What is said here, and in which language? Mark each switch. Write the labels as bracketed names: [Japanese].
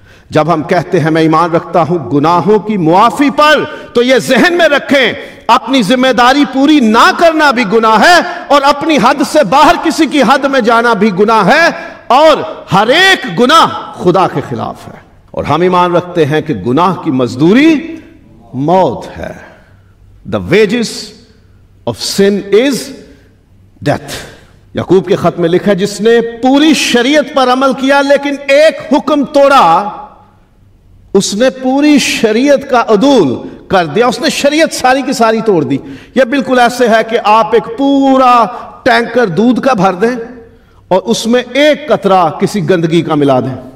[Urdu] جب ہم کہتے ہیں میں ایمان رکھتا ہوں گناہوں کی معافی پر، تو یہ ذہن میں رکھیں اپنی ذمہ داری پوری نہ کرنا بھی گناہ ہے، اور اپنی حد سے باہر کسی کی حد میں جانا بھی گناہ ہے، اور ہر ایک گناہ خدا کے خلاف ہے. اور ہم ایمان رکھتے ہیں کہ گناہ کی مزدوری موت ہے. [English] The wages of sin is death. [Urdu] یعقوب کے خط میں لکھا ہے جس نے پوری شریعت پر عمل کیا لیکن ایک حکم توڑا، اس نے پوری شریعت کا عدول کر دیا، اس نے شریعت ساری کی ساری توڑ دی. یہ بالکل ایسے ہے کہ آپ ایک پورا ٹینکر دودھ کا بھر دیں اور اس میں ایک قطرہ کسی گندگی کا ملا دیں.